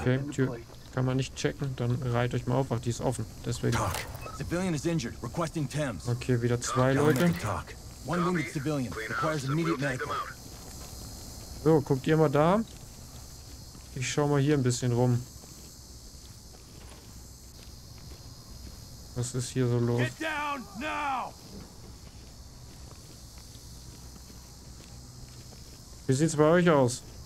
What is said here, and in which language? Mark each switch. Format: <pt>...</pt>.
<de>Okay, Tür kann man nicht checken, dann reiht euch mal auf. Ach, die ist offen, deswegen.</de> <en>Talk. Civilian is injured, requesting TEMS.</en> <de>Okay, wieder zwei Leute.</de> <en>One wounded civilian requires immediate medical.</en> <de>So, guckt ihr mal da. Ich schau mal hier ein bisschen rum. Was ist hier so los?</de> <en>Get down now.</en> <de>Wie sieht's bei euch aus?</de>